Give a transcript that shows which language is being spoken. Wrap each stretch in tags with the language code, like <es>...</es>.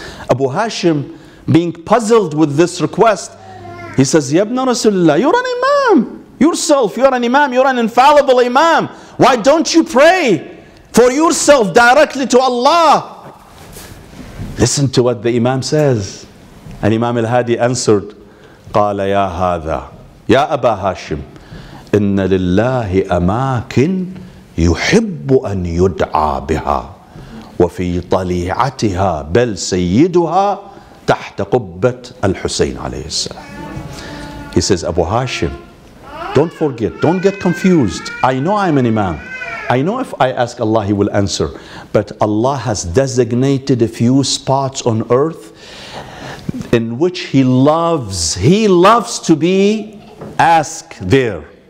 <en>Abu Hashim, being puzzled with this request, he says, Ya Ibn Rasulullah, you're an imam yourself. You're an imam. You're an infallible imam. Why don't you pray for yourself directly to Allah? Listen to what the imam says. And Imam al-Hadi answered,</en> <ar>قال يا هذا يا أبا هاشم إن لله أماكن يحب أن يدعى بها وفي طليعتها بل سيدها تحت قبة الحسين عليه السلام.</ar> <en>He says, Abu Hashim, don't forget, don't get confused. I know I'm an imam. I know if I ask Allah, He will answer. But Allah has designated a few spots on earth in which He loves to be asked there.</en>